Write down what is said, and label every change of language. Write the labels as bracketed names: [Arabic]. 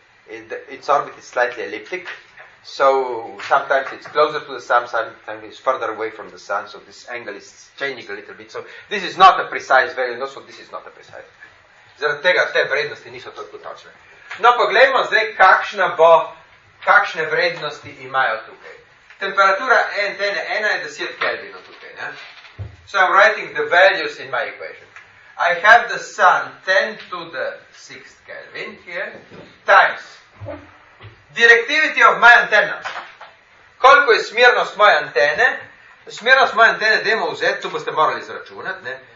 [English] Its orbit is slightly elliptic, so sometimes it's closer to the sun, sometimes it's further away from the sun, so this angle is changing a little bit. So this is not a precise value, no, so this is not a precise value. [Slovenian] Zaradi tega te vrednosti niso toliko točne. No, pogledamo zdaj, kakšne vrednosti imajo tukaj. Temperatura antene 1 je 10 Kelvinov tukaj. Ne? [English] So I'm writing the values in my equation. I have the sun 10 to the 6th Kelvin here, times directivity of my antenna. [Slovenian] Koliko je smernost moje antene? Smernost moje antene, dajmo vzeti, tu boste morali izračunati, ne?